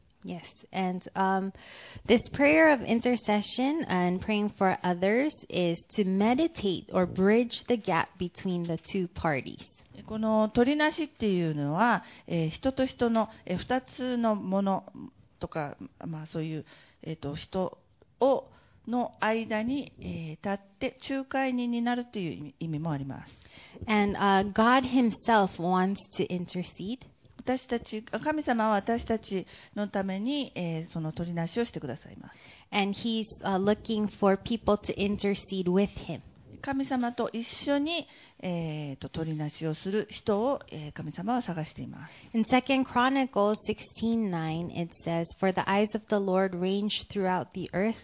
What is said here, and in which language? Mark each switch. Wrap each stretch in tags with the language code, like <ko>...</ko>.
<en>Yes, and this prayer of intercession and praying for others is to meditate or bridge the gap between the two parties.</en> <ja>この取りなしっていうのは、人と人の、二つのものとか、まあそういう、人をの間に、立って仲介人になるという意味もあります。</ja> <en>And God himself wants to intercede.</en> <ja>私たち、神様は私たちのために、その取りなしをしてくださいます。</ja> <en>And he's looking for people to intercede with him.</en> <ja>神様と一緒に、取りなしをする人を、神様は探しています。</ja> <en>In 2 Chronicles 16:9, it says, For the eyes of the Lord range throughout the earth.</en>